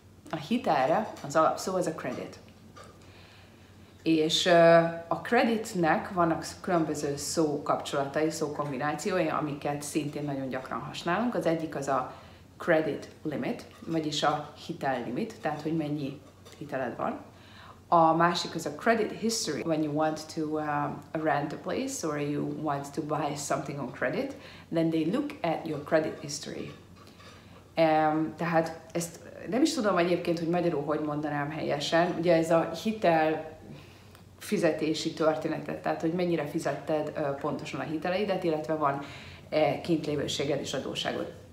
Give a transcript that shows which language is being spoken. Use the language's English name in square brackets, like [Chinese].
[Hungarian] A hitelre az alapszó az a credit. És a creditnek vannak különböző szó kapcsolatai, szó kombinációi, amiket szintén nagyon gyakran használunk. Az egyik az a credit limit, vagyis a hitel limit, tehát hogy mennyi hiteled van. A másik az a [English] credit history, when you want to rent a place or you want to buy something on credit, then they look at your credit history. [Hungarian] Tehát ezt nem is tudom egyébként, hogy magyarul hogy mondanám helyesen. Ugye ez a hitel fizetési történetet, tehát hogy mennyire fizetted pontosan a hiteleidet, illetve van kint lévőséged és adósságod.